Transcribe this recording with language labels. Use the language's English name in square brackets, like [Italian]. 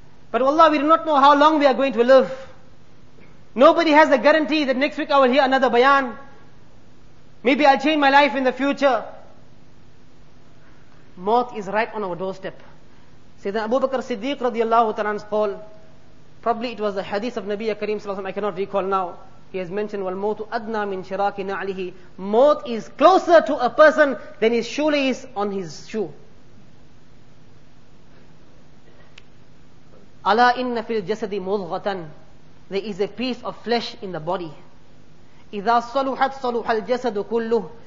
[English] But wallah, we do not know how long we are going to live. Nobody has a guarantee that next week I will hear another bayan. Maybe I'll change my life in the future. Maut is right on our doorstep. Sayyidina Abu Bakr Siddiq radiallahu ta'ala's call. Probably it was the hadith of Nabi Kareem sallallahu alaihi wasallam, I cannot recall now. He has mentioned, [Arabic] وَالْمَوْتُ أَدْنَى مِنْ شِرَاكِ نَعْلِهِ. [English] Maut is closer to a person than his shoelace on his shoe. [Arabic] أَلَا إِنَّ فِي الْجَسَدِ مُضْغَةً. [English] There is a piece of flesh in the body. [Arabic] إِذَا صَلُحَتْ صَلُحَ الْجَسَدُ كُلُّهُ.